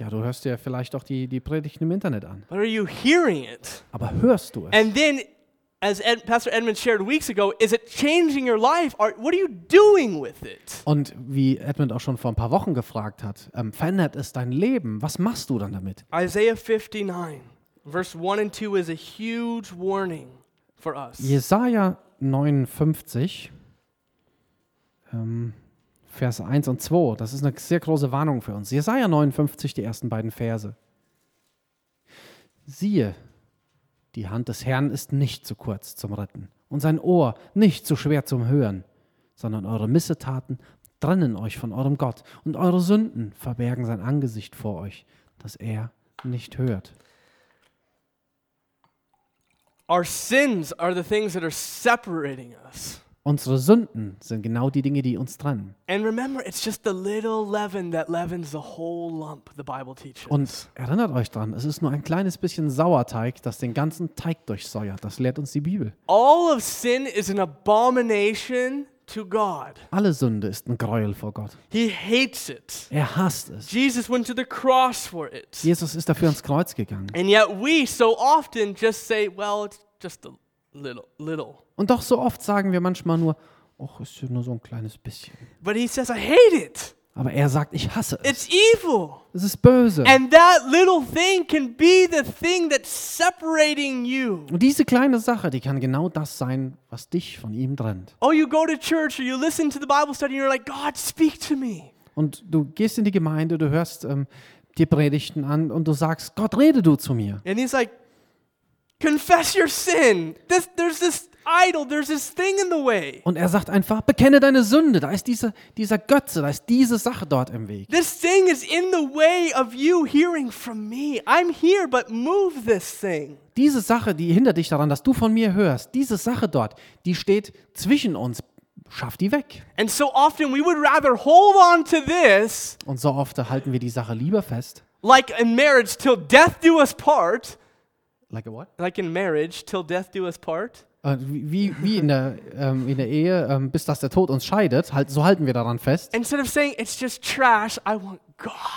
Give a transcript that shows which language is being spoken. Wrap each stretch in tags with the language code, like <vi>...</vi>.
<de>Ja, du hörst dir vielleicht auch die Predigten im Internet an.</de> <en>But are you hearing it?</en> <de>Aber hörst du es?</de> <en>And then, as Pastor Edmund shared weeks ago, is it changing your life? Or what are you doing with it?</en> <de>Und wie Edmund auch schon vor ein paar Wochen gefragt hat, verändert es dein Leben? Was machst du dann damit?</de> <en>Isaiah 59, verse 1 and 2 is a huge warning for us.</en> <de>Jesaja 59, Vers 1 und 2. Das ist eine sehr große Warnung für uns. Jesaja 59, die ersten beiden Verse. Siehe, die Hand des Herrn ist nicht zu kurz zum Retten und sein Ohr nicht zu schwer zum Hören, sondern eure Missetaten trennen euch von eurem Gott und eure Sünden verbergen sein Angesicht vor euch, dass er nicht hört.</de> <en>Our sins are the things that are separating us.</en> <de>Unsere Sünden sind genau die Dinge, die uns trennen.</de> <en>And remember, it's just the little leaven that leavens the whole lump, the Bible teaches.</en> <de>Und erinnert euch dran, es ist nur ein kleines bisschen Sauerteig, das den ganzen Teig durchsäuert. Das lehrt uns die Bibel.</de> <en>All of sin is an abomination to God.</en> <de>Alle Sünde ist ein Greuel vor Gott.</de> <en>He hates it.</en> <de>Er hasst es.</de> <en>Jesus went to the cross for it.</en> <de>Jesus ist dafür ans Kreuz gegangen.</de> <en>And yet we so often just say, well, it's just a little.</en> <de>Und doch so oft sagen wir manchmal nur, ach, ist ja nur so ein kleines bisschen.</de> <en>But he says, I hate it.</en> <de>Aber er sagt, ich hasse es.</de> <en>It's evil.</en> <de>Es ist böse.</de> <en>And that little thing can be the thing that's separating you.</en> <de>Und diese kleine Sache, die kann genau das sein, was dich von ihm trennt.</de> <en>Oh, you go to church or you listen to the Bible study and you're like, God, speak to me.</en> <de>Und du gehst in die Gemeinde, du hörst die Predigten an und du sagst, Gott, rede du zu mir.</de> <en>And he's like, confess your sin. There's this idol, there's this thing in the way.</en> <de>Und er sagt einfach, bekenne deine Sünde, da ist dieser Götze, da ist diese Sache dort im Weg.</de> <en>This thing is in the way of you hearing from me. I'm here, but move this thing.</en> <de>Diese Sache, die hindert dich daran, dass du von mir hörst, diese Sache dort, die steht zwischen uns, schaff die weg.</de> <en>And so often we would rather hold on to this.</en> <de>Und so oft halten wir die Sache lieber fest.</de> <en>Like in marriage, till death do us part. Like a what? Like in marriage, till death do us part.</en> <de>Wie in der Ehe, bis dass der Tod uns scheidet, halt, so halten wir daran fest.</de> <en>Instead of saying it's just trash, I want God.</en>